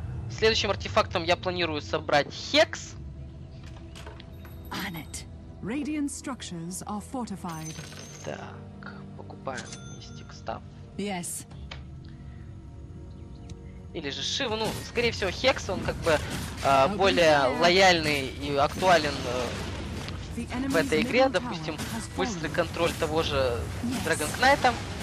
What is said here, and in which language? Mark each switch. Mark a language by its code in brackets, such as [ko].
[ru] Следующим артефактом я планирую собрать Хекс. [en] Radiant structures are fortified. [ru] Да. Покупаем мистик став. [en] Yes. [ru] или же Шива, ну, скорее всего, Хекс, он как бы более лояльный и актуален в этой игре, допустим, после контроля того же Dragon Knight.